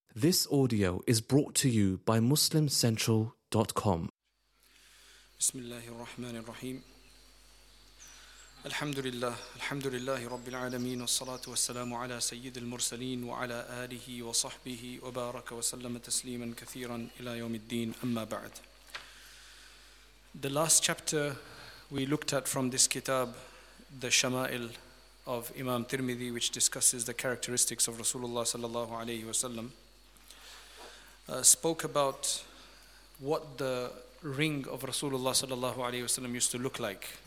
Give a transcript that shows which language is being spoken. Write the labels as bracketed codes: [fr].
[en] This audio is brought to you by MuslimCentral.com. [ar] بسم الله الرحمن الرحيم الحمد لله الحمد لله رب العالمين والصلاة والسلام على سيد المرسلين وعلى آله وصحبه وبارك وسلم تسليما كثيرا إلى يوم الدين أما بعد. [en] The last chapter we looked at from this kitab, the Shama'il of Imam Tirmidhi, which discusses the characteristics of Rasulullah sallallahu alayhi wasallam, spoke about what the ring of Rasulullah sallallahu alayhi wasallam used to look like.